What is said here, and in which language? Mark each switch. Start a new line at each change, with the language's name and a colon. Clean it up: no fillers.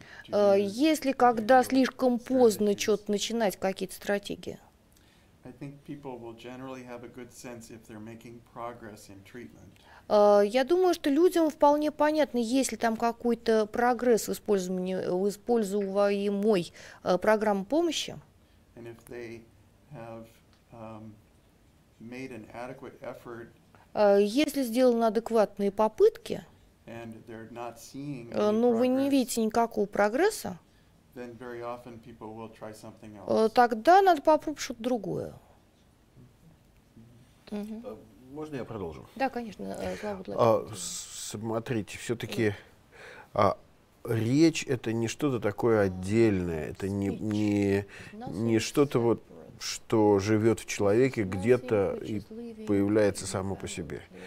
Russian: Если когда слишком поздно что-то начинать, какие-то стратегии?
English: I think people will generally have a good sense if they're making progress in treatment.
Russian: Я думаю, что людям вполне понятно, есть ли там какой-то прогресс в используемой программе помощи.
English: And if they have made an adequate effort.
Russian: Если сделаны адекватные попытки,
English: and they're not seeing any progress,
Russian: но вы не видите никакого прогресса,
English: then very often people will try something else.
Russian: Тогда надо попробовать что-то другое. Можно я продолжу? Да, конечно. Смотрите, все-таки речь — это не что-то такое отдельное, это не что-то вот, что живет в человеке где-то и появляется само по себе.